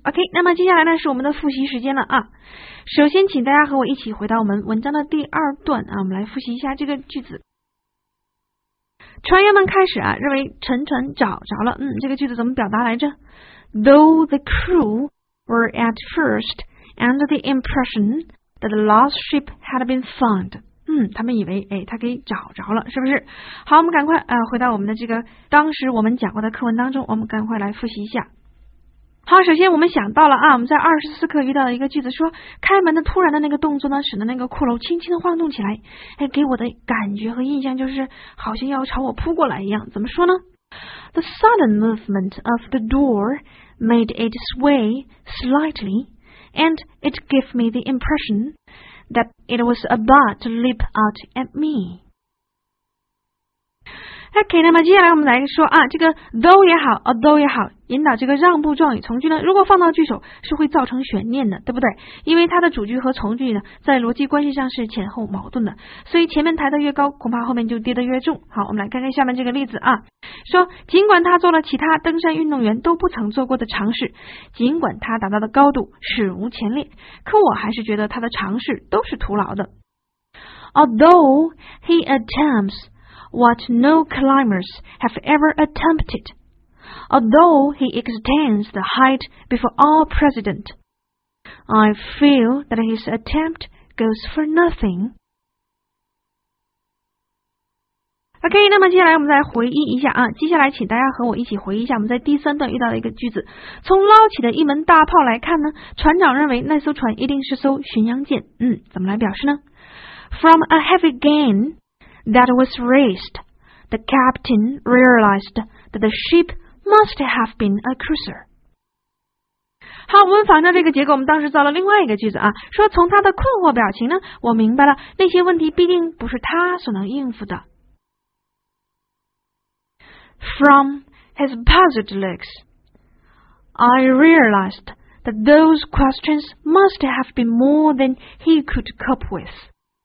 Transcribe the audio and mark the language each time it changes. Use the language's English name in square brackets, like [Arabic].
[Chinese] OK, 那么接下来呢是我们的复习时间了啊。首先请大家和我一起回到我们文章的第二段啊，我们来复习一下这个句子。船员们开始啊认为沉船找着了，这个句子怎么表达来着？ [English] Though the crew were at first under the impression that the lost ship had been found. [Chinese] 他们以为他给找着了，是不是？好，我们赶快回到我们的这个当时我们讲过的课文当中，我们赶快来复习一下。好，首先我们想到了啊，我们在24课遇到了一个句子，说开门的突然的那个动作呢，使得那个骷髅轻轻的晃动起来，给我的感觉和印象就是好像要朝我扑过来一样。怎么说呢？ [English] The sudden movement of the door made it sway slightly, and it gave me the impression that it was about to leap out at me. [Chinese] OK, 那么接下来我们来说啊，这个 though 也好 although 也好，引导这个让步状语从句呢，如果放到句首是会造成悬念的，对不对？因为它的主句和从句呢在逻辑关系上是前后矛盾的，所以前面抬得越高恐怕后面就跌得越重。好，我们来看看下面这个例子啊，说尽管他做了其他登山运动员都不曾做过的尝试，尽管他达到的高度史无前例，可我还是觉得他的尝试都是徒劳的。 [English] Although he attempts what no climbers have ever attempted, although he extends the height before all precedent, I feel that his attempt goes for nothing. [Chinese] OK, 那么接下来我们再回忆一下啊，接下来请大家和我一起回忆一下我们在第三段遇到的一个句子。从捞起的一门大炮来看呢，船长认为那艘船一定是艘巡洋舰。怎么来表示呢？ [English] From a heavy gainThat was raised, the captain realized that the ship must have been a cruiser. [Chinese] 好，我们仿照这个结果，我们当时造了另外一个句子啊，说从他的困惑表情呢，我明白了那些问题必定不是他所能应付的。 [English] From his puzzled looks, I realized that those questions must have been more than he could cope with.